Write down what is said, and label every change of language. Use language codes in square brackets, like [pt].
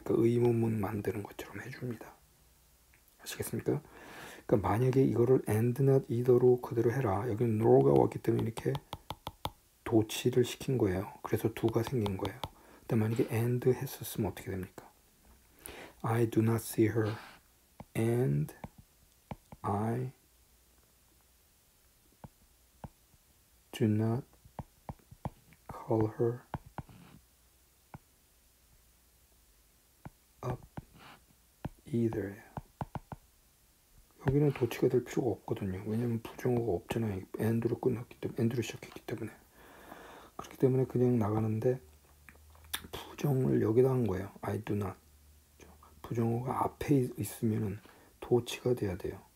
[ko] 그 의문문 만드는 것처럼 해줍니다. 아시겠습니까? 그러니까 만약에 이거를 and not either로 그대로 해라. 여기는 nor가 왔기 때문에 이렇게 도치를 시킨 거예요. 그래서 do가 생긴 거예요. 근데 만약에 and 했었으면 어떻게 됩니까? [en] I do not see her and I do not call her either예요. [ko] 여기는 도치가 될 필요가 없거든요. 왜냐면 부정어가 없잖아요. and로 끝났기 때문에, and로 시작했기 때문에. 그렇기 때문에 그냥 나가는데 부정을 여기다 한 거예요. [en] I do not. [ko] 부정어가 앞에 있으면 도치가 돼야 돼요.